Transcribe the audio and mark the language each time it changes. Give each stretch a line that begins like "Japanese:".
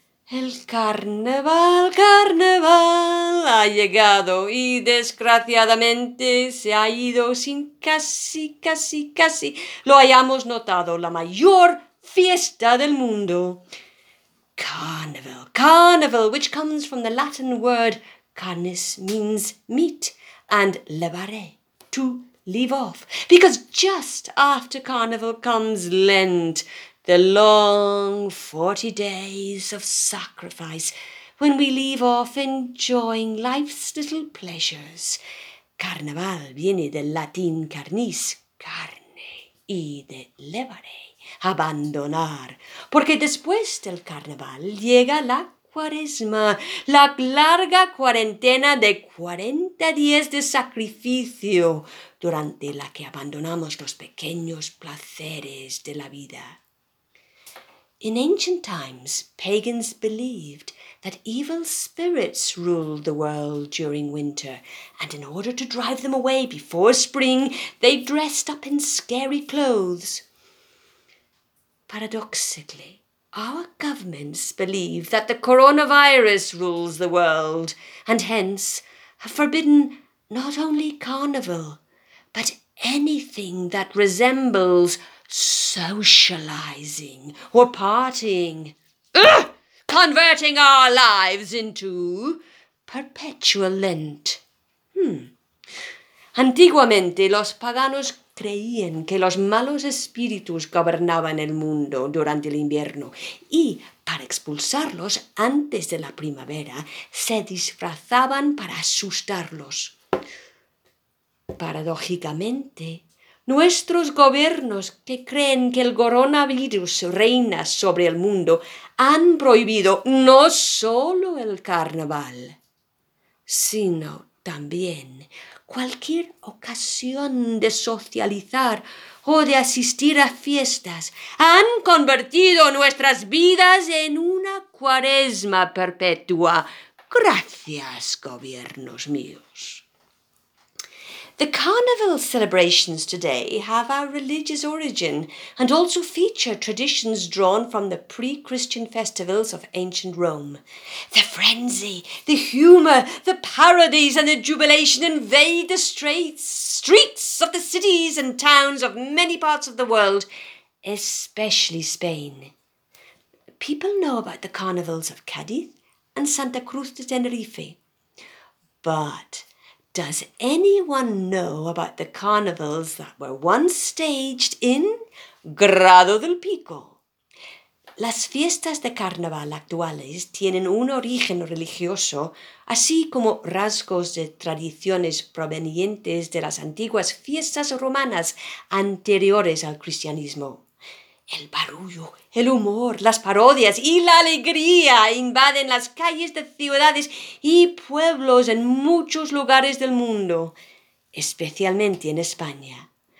Spanish: El carnaval, carnaval ha llegado y desgraciadamente se ha ido sin casi lo hayamos notado, la mayor fiesta del mundo.
English: Carnival, carnival, which comes from the Latin word carnis, means meat, and levare, to leave off. Because just after carnival comes Lent, the long 40 days of sacrifice, when we leave off enjoying life's little pleasures.
Spanish: Carnaval viene del latín carnis, carne, y de levare, abandonar. Porque después del carnaval llega la cuaresma, la larga cuarentena de 40 días de sacrificio, durante la que abandonamos los pequeños placeres de la vida.
English: In ancient times, pagans believed that evil spirits ruled the world during winter, and in order to drive them away before spring, they dressed up in scary clothes. Paradoxically, our governments believe that the coronavirus rules the world, and hence have forbidden not only carnival, but anything that resembles socializing or partying, converting our lives into perpetual Lent.
Spanish: Antiguamente, los paganos creían que los malos espíritus gobernaban el mundo durante el invierno y, para expulsarlos antes de la primavera, se disfrazaban para asustarlos. Paradójicamente, nuestros gobiernos, que creen que el coronavirus reina sobre el mundo, han prohibido no solo el carnaval, sino también cualquier ocasión de socializar o de asistir a fiestas. Han convertido nuestras vidas en una cuaresma perpetua. Gracias, gobiernos míos.
English: The carnival celebrations today have a religious origin and also feature traditions drawn from the pre-Christian festivals of ancient Rome. The frenzy, the humour, the parodies and the jubilation invade the streets of the cities and towns of many parts of the world, especially Spain. People know about the carnivals of Cadiz and Santa Cruz de Tenerife, but does anyone know about the carnivals that were once staged in Grado del Pico?
Spanish: Las fiestas de carnaval actuales tienen un origen religioso, así como rasgos de tradiciones provenientes de las antiguas fiestas romanas anteriores al cristianismo. El barullo, el humor, las parodias y la alegría invaden las calles de ciudades y pueblos en muchos lugares del mundo, especialmente en España.